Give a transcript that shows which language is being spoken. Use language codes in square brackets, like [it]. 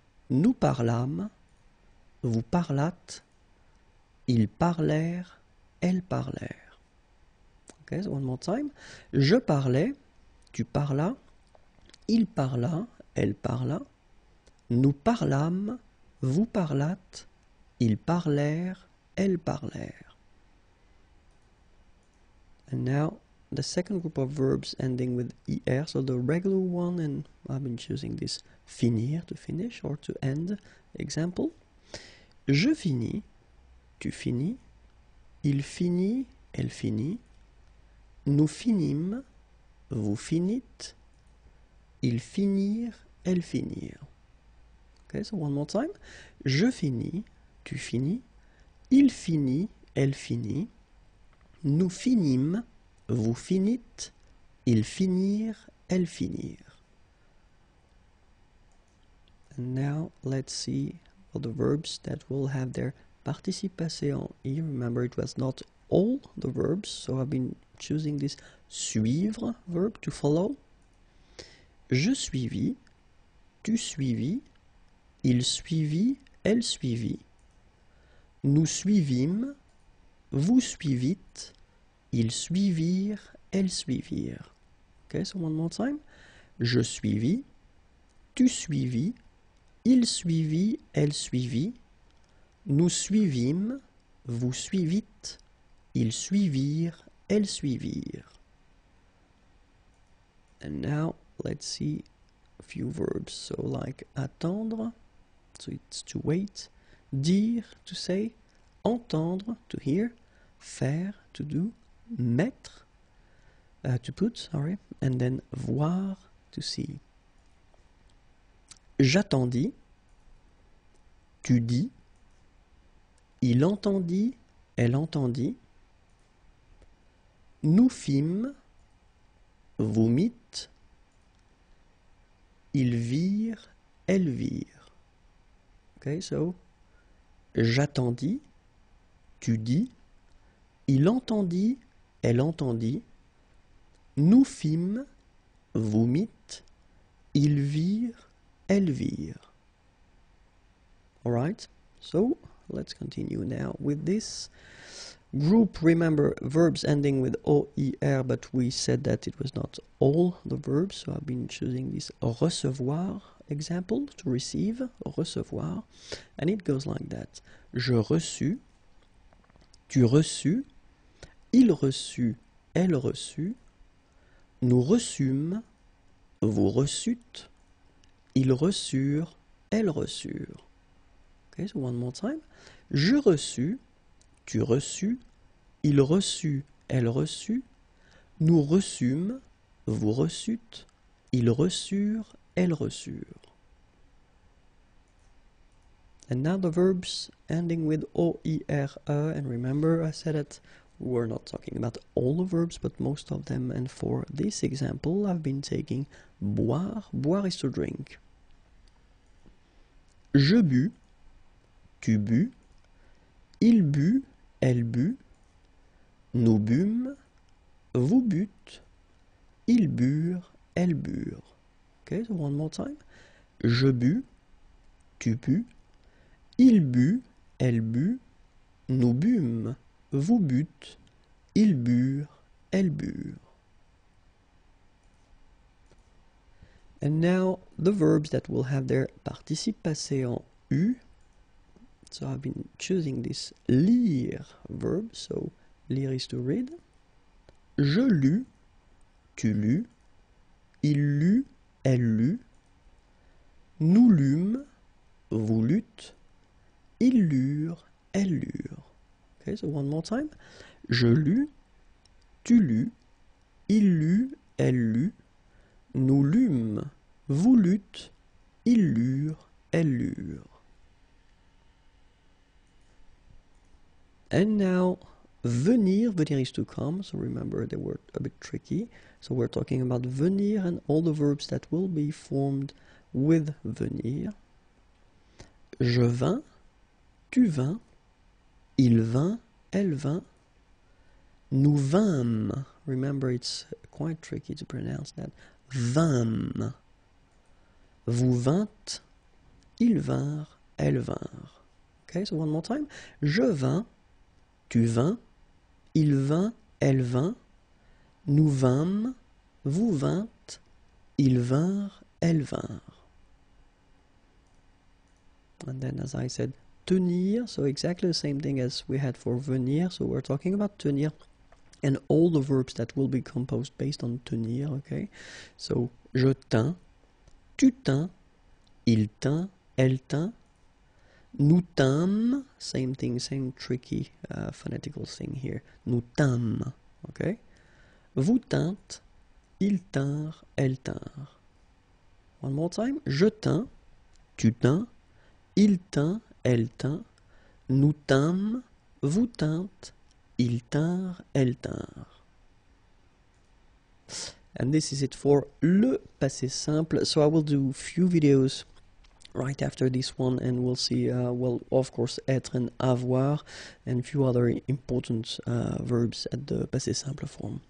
[fr] Nous parlâmes, vous parlâtes, ils parlèrent, elles parlèrent. [en] Okay, so one more time. [fr] Je parlais, tu parlas, il parla, elle parla. Nous parlâmes, vous parlâtes, ils parlèrent, elles parlèrent. [en] And now, the second group of verbs ending with ER, so the regular one, and I've been choosing this finir, to finish or to end. Example. [fr] Je finis, tu finis, il finit, elle finit, nous finîmes, vous finîtes, ils finirent, elles finirent. [en] Okay, so one more time. [fr] Je finis, tu finis, il finit, elle finit, nous finîmes, vous finîtes, ils finirent, elles finirent. [en] And now, let's see all the verbs that will have their [fr] participe passé en I. [en] Remember, it was not all the verbs, so I've been choosing this suivre verb to follow. [fr] Je suivis, tu suivis, il suivit, elle suivit. Nous suivîmes, vous suivîtes, ils suivirent, elles suivirent. [en] Okay, so one more time. [fr] Je suivis, tu suivis, il suivit, elle suivit, nous suivîmes, vous suivîtes, ils suivirent, elles suivirent. [en] And now, let's see a few verbs. So, like, attendre, so it's to wait, dire, to say, entendre, to hear, faire, to do, mettre, to put, sorry, and then voir, to see. [fr] J'attendis. Tu dis, il entendit, elle entendit, nous fîmes, vous mîtes, ils virent, elles virent. [en] Okay, so, [fr] j'attendis, tu dis, il entendit, elle entendit, nous fîmes, vous mîtes, ils virent, elles virent. [en] Alright, so let's continue now with this group. Remember, verbs ending with O-I-R, but we said that it was not all the verbs, so I've been choosing this recevoir example, to receive, recevoir, and it goes like that. [fr] Je reçus, tu reçus, il reçut, elle reçut, nous reçûmes, vous reçûtes, ils reçurent, elles reçurent. [en] Okay, so one more time. [fr] Je reçus, tu reçus, il reçut, elle reçut, nous reçûmes, vous reçûtes, ils reçurent, elles reçurent. [en] And now the verbs ending with O-E-R-E, and remember I said it, we're not talking about all the verbs, but most of them, and for this example, I've been taking boire. Boire is to drink. [fr] Je bu, tu bu, il bu, elle bu, nous bûmes, vous butes, ils burent, elles burent. [en] Okay, so one more time. [fr] Je bu, tu bu, il bu, elle bu, nous bûmes, vous butes, ils burent, elles burent. [en] And now the verbs that will have their [fr] participe passé en U. [en] So I've been choosing this lire verb. So lire is to read. [fr] Je lus, tu lus, il lut, elle lut, nous lûmes, vous lûtes, ils lurent, elles lurent. [en] Okay, so one more time. [fr] Je lus, tu lus, il lut, elle lut, nous lûmes, vous lûtes, ils lurent, elles lurent. [en] And now, venir, venir is to come, so remember they were a bit tricky. So we're talking about venir and all the verbs that will be formed with venir. [fr] Je vins, tu vins, il vint, elle vint, nous vîmes. [en] Remember, it's quite tricky to pronounce that. Vîmes. [fr] Vous vintes, ils vinrent, elles vinrent. [en] Okay, so one more time. [fr] Je vins, tu vins, il vint, elle vint, nous vîmes, vous vintes, ils vinrent, elles vinrent. [en] And then, as I said, tenir, so exactly the same thing as we had for venir, so we're talking about tenir and all the verbs that will be composed based on tenir, okay? So, [fr] je tins, tu tins, il tint, elle tint, nous tîmes, [en] same thing, same tricky phonetical thing here, [fr] nous tîmes, [en] okay? [fr] Vous tintes, il tinrent, elle tinrent. [en] One more time, [fr] je tins, tu tins, il tint, elle tint, nous tîmes, vous tintes, ils tinrent, elles tinrent. [en] And this is it for le passé simple. So I will do a few videos right after this one, and we'll see, well, of course, être and avoir, and a few other important verbs at the passé simple form.